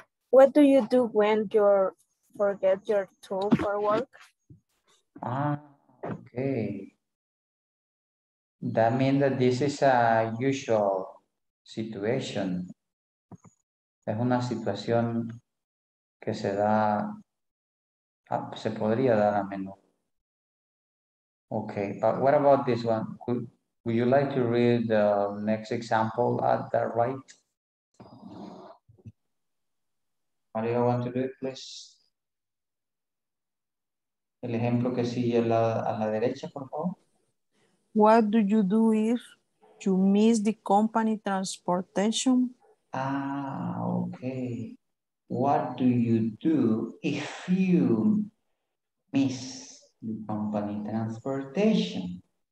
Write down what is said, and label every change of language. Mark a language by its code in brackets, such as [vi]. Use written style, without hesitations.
[en] What do you do when you forget your tool for work? Ah, okay. That means that this is a usual situation. [es] Es una situación que se da, se podría dar a menudo. [en] Okay, but what about this one? Would you like to read the next example at the right? Maria, want to do it, please? [es] El ejemplo que sigue a la derecha, por favor. [en] What do you do if you miss the company transportation? Ah, okay. What do you do if you miss the company transportation?